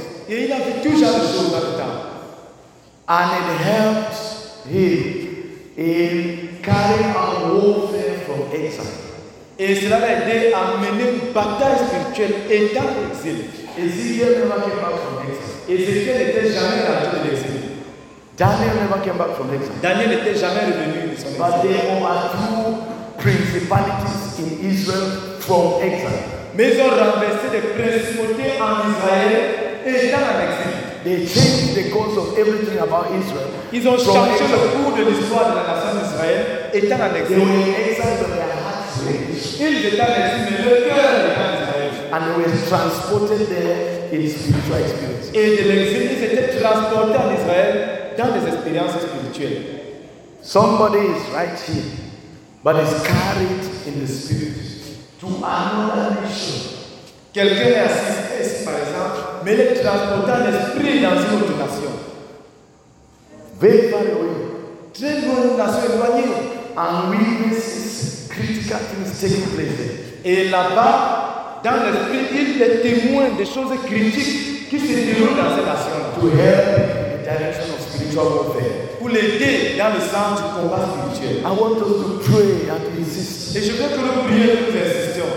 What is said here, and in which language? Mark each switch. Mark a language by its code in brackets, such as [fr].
[fr] Et il avait toujours des choses dans le temps. [en] And it helped him in carrying out warfare from exile. [fr] Et cela l'a aidé à mener une bataille spirituelle étant exilé. [en] Ezekiel never came back from exile. [fr] Ezekiel n'était jamais rentré de l'exil. [en] Daniel never came back from exile. [fr] Daniel n'était jamais revenu. [en] But there were two principalities in Israel from exile. [fr] Mais ils ont renversé des principautés en Israël étant en exil. [en] They changed the course of everything about Israel. Ils ont changé le cours de l'histoire de la nation d'Israël étant en exil. They were in exile, but their hearts [fr] changed. Ils étaient en exil, mais leur cœur était en exil. [en] And they were transported there in spiritual experience. [fr] Et de l'exil, ils étaient transportés en Israël dans des expériences spirituelles. [en] Somebody is right here, but is carried in the spirit to another nation. [fr] Quelqu'un est assisté ici, par exemple, mais il est transporté en esprit dans une autre nation. [en] Very far away. [fr] Très loin d'une nation éloignée. [en] And witnesses critical things taking place. [fr] Et là-bas, dans l'esprit, il est témoin des choses critiques qui se déroulent dans cette nation. [en] To help in the direction of spiritual warfare. [fr] Pour l'aider dans le sens du combat spirituel. [en] I want us to pray and resist. [fr] Et je veux que nous prions et nous résistions.